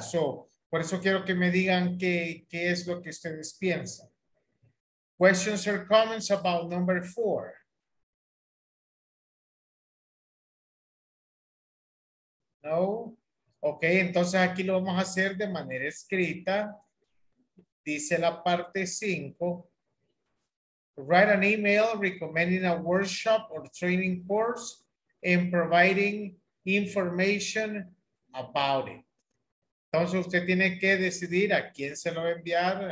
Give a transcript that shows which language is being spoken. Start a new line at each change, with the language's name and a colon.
Spanish: So, por eso quiero que me digan qué es lo que ustedes piensan.
English: Questions or comments about number four?
Spanish: No? Ok, entonces aquí lo vamos a hacer de manera escrita. Dice la parte 5.
English: Write an email recommending a workshop or training course and providing information about it.
Spanish: Entonces usted tiene que decidir a quién se lo va a enviar.